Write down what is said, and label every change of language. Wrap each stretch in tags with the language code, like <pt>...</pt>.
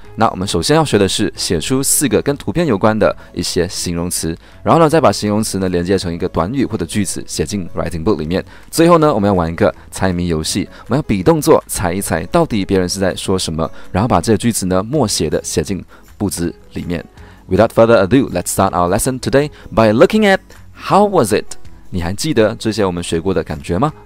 <zh>那我们首先要学的是写出四个跟图片有关的一些形容词，然后呢再把形容词呢连接成一个短语或者句子写进 writing book 里面。最后呢我们要玩一个猜谜游戏，我们要比动作猜一猜到底别人是在说什么，然后把这个句子呢默写的写进步子里面。</zh> <en>Without further ado, let's start our lesson today by looking at how was it?</en> <zh>你还记得这些我们学过的感觉吗？</zh>